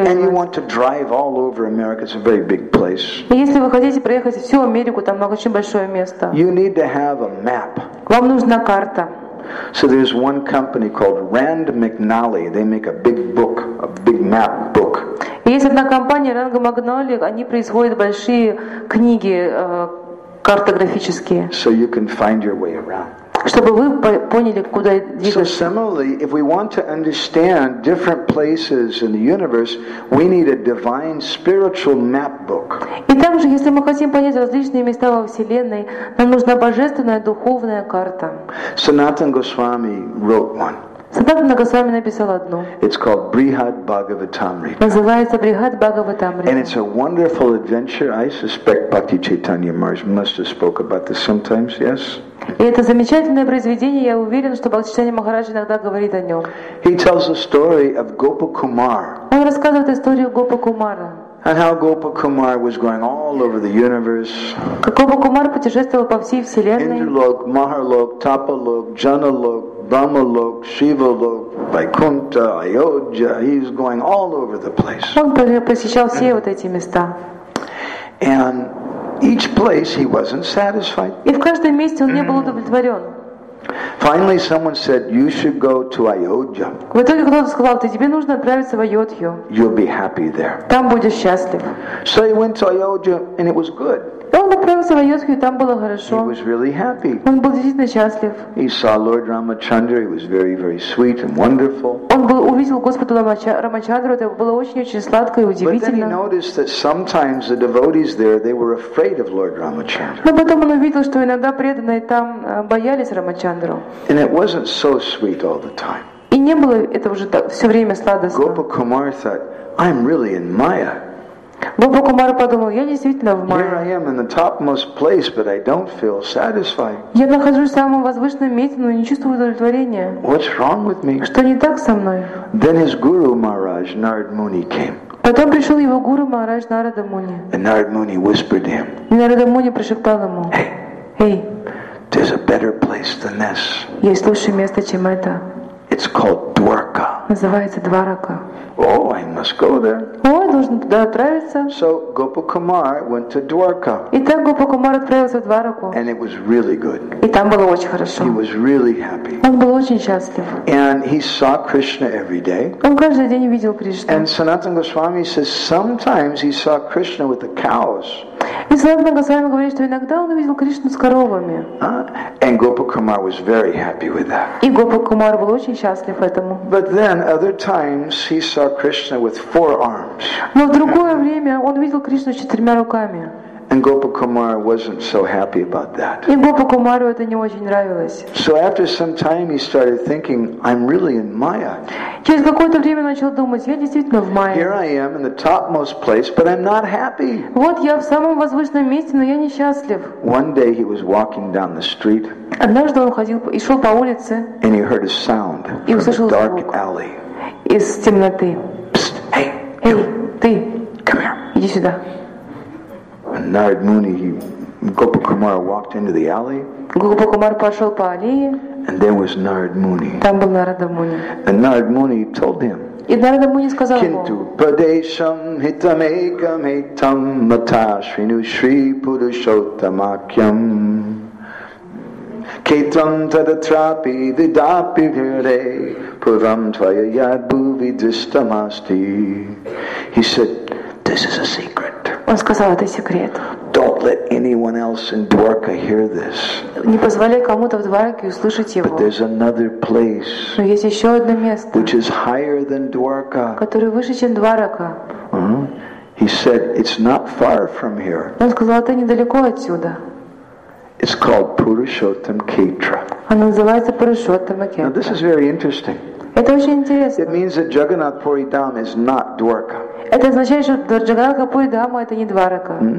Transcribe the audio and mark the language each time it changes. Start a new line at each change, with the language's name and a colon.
English: And you want to drive all over America? It's a very big place.
Russian: Если вы хотите проехать всю Америку, там очень большое место.
English: You need to have a map.
Russian: Вам нужна карта.
English: So there's one company called Rand McNally. They make a big book, a big map book.
Russian: Есть одна компания Rand McNally, они производят большие книги картографические.
English: So you can find your way around.
Russian: Чтобы вы поняли, куда двигаться.
English: So similarly, if we want to understand different places in the universe, we need a divine spiritual map book.
Russian: И также, если мы хотим понять различные места во Вселенной, нам нужна божественная духовная карта.
English: Sanatan Goswami wrote one.
Russian: Сиддхартха Госвами написал одно.
English: It's called Brihad Bhagavatamrita.
Russian: Называется Брихад Бхагаватамрита.
English: And it's a wonderful adventure. I suspect Bhakti Chaitanya Maharaj must have spoke about this sometimes, yes?
Russian: И это замечательное произведение. Я уверен, что Бхакти Чайтанья Махарадж иногда говорит о нем.
English: He tells the story of Gopa Kumar.
Russian: Он рассказывает историю Гопа Кумара.
English: And how Gopa Kumar was going all over the universe.
Russian: Как Гопа Кумар путешествовал по всей вселенной.
Sanskrit: Индралок, Махалок, Тапалок, Джаналок, Брамалок, Шивалок, Вайкунта, Айоджа.
English: He's going all over the place.
Russian: Он посещал все вот эти места.
English: And each place he wasn't satisfied.
Russian: И в каждом месте он не был удовлетворен.
English: Finally, someone said, "You should go to Ayodhya."
Russian: В итоге кто-то сказал, ты тебе нужно отправиться в Айодхью.
English: You'll be happy there.
Russian: Там будешь счастлив.
English: So he went to Ayodhya, and it was good.
Russian: Он отправился в Айодхью, там было хорошо.
English: He was really happy.
Russian: Он был действительно счастлив.
English: He saw Lord Ramachandra. He was very, very sweet and wonderful.
Russian: Он увидел Господа Рамачандру. Это было очень-очень сладко и удивительно.
English: But then he noticed that sometimes the devotees there, they were afraid of Lord Ramachandra.
Russian: Но потом он увидел, что иногда преданные там боялись Рамачандру.
English: And it wasn't so sweet all the time.
Russian: И не было это уже все время сладостно.
English: Gopa Kumar thought, I'm really in Maya.
Russian: Бабу Кумара подумал, я действительно в мае.
English: Here I am in the topmost place, but I don't feel satisfied.
Russian: Я нахожусь в самом возвышенном месте, но не чувствую удовлетворения.
English: What's wrong with me?
Russian: Что не так со мной?
English: Then his guru Maharaj Narad Muni came.
Russian: Потом пришел его гуру Махарадж Нарада Муни.
English: And Narad Muni whispered him.
Russian: И Нарада Муни прошептал ему.
English: Hey. There's a better place than this.
Russian: Есть лучшее место, чем это.
English: It's called Dwarka.
Russian: Называется Дварака.
English: Oh, I must go there.
Russian: О, должен туда отправиться.
English: So Gopakumar went to Dwarka.
Russian: Итак, Гопакумар отправился в Двараку.
English: And it was really good.
Russian: И там было очень хорошо.
English: He was really happy.
Russian: Он был очень счастлив.
English: And he saw Krishna every day.
Russian: Он каждый день видел Кришну.
English: And Sanatana Goswami says sometimes he saw Krishna with the cows.
Russian: И Санатана Госвами говорит, что иногда он увидел Кришну с коровами.
English: And Gopakumar was very happy with that.
Russian: И Гопакумар был очень счастлив этому.
English: But then other times he saw Krishna with four arms.
Russian: Но в другое время он видел Кришну с четырьмя руками.
English: And Gopakumar wasn't so happy about that.
Russian: И Гопакумару это не очень нравилось.
English: So after some time he started thinking, I'm really in Maya.
Russian: Через какое-то время начал думать, я действительно в Майе.
English: Here I am in the topmost place, but I'm not happy.
Russian: Вот я в самом возвышенном месте, но я несчастлив.
English: One day he was walking down the street.
Russian: Однажды он ходил и шел по улице.
English: And he heard a sound from the dark alley.
Russian: Из темноты.
English: Psst, hey, hey, you.
Russian: Ты.
English: Come here.
Russian: Иди сюда.
English: And Narad Muni, Gopakumar walked into the alley.
Russian: Gopakumar пошел по аллее.
English: And there was Narad Muni.
Russian: Там был Нарада Муни.
English: And Narad Muni told him.
Russian: И Нарада Муни сказал ему.
Sanskrit: Кинту падешам хитамекам хитам мата шрину шри пурушоттамакьям кетам тадатрапи дидапи вирде пурам твая ядбуви дистамасти.
English: He said, this is a secret.
Russian: Он сказал, это секрет.
English: Don't let anyone else in Dwarka hear this.
Russian: Не позволяй кому-то в Двараке услышать его.
English: But there's another place.
Russian: Но есть еще одно место.
English: Which is higher than Dwarka.
Russian: Которое выше, чем Дварака.
English: He said, it's not far from here.
Russian: Он сказал, это недалеко отсюда.
English: It's called Purushottam Kshetra.
Russian: Оно называется Purushottam Kshetra.
English: Now this is very interesting.
Russian: Это очень интересно.
English: It means that Jagannath Puri Dham is not Dwarka.
Russian: Это означает, что Джагадха Пури Дхама это не Дварака.